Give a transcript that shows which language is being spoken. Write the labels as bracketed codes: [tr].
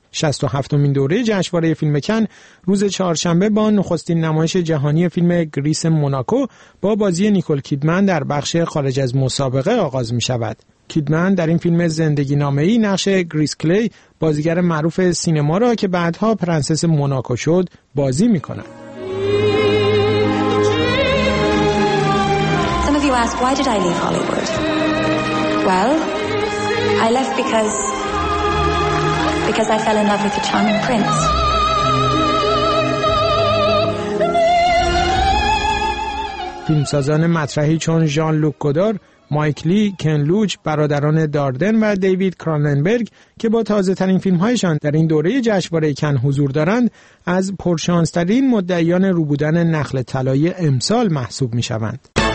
[fa] 67مین دوره جشنواره فیلم کن روز چهارشنبه با نخستین نمایش جهانی فیلم گریس موناکو با بازی نیکول کیدمن در بخش خارج از مسابقه آغاز می‌شود. کیدمن در این فیلم زندگی نامه‌ای نقش گریس کلی، بازیگر معروف سینما را که بعدها پرنسس موناکو شد، بازی می‌کند. [en] Some of you asked why did I leave Hollywood? Well, I left because I fell in love with a charming prince. [fa] فیلمسازان مطرحی چون ژان لوک گودار، مایک لی، کن لوچ، برادران داردن و دیوید کراننبرگ که با تازه ترین فیلم هایشان در این دوره جشنواره کن حضور دارند از پرشانسترین مدعیان روبودن نخل طلایی امسال محسوب می شوند.